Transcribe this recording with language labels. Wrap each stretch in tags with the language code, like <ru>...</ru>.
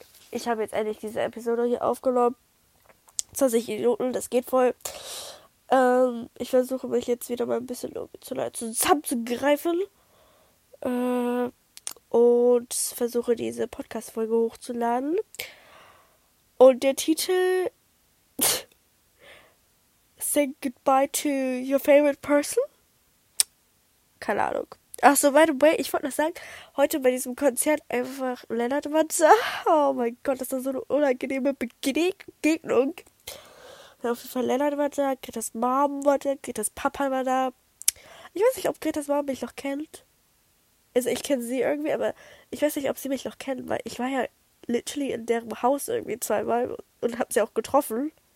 <de>Ich habe jetzt endlich diese Episode hier aufgenommen. 20 Minuten, das geht voll. Ich versuche mich jetzt wieder mal ein bisschen zusammenzugreifen. Und versuche diese Podcast-Folge hochzuladen. Und der Titel.</de> <en>Say goodbye to your favorite person?</en> <de>Keine Ahnung. Achso,</de> <en>by the way,</en> <de>ich wollte noch sagen, heute bei diesem Konzert einfach Lennart war da. Oh mein Gott, das war so eine unangenehme Begegnung. Auf jeden Fall Lennart war da, Gretas Mom war da, Gretas Papa war da. Ich weiß nicht, ob Gretas Mom mich noch kennt. Also, ich kenne sie irgendwie, aber ich weiß nicht, ob sie mich noch kennt, weil ich war ja literally in deren Haus irgendwie zweimal und habe sie auch getroffen.</de>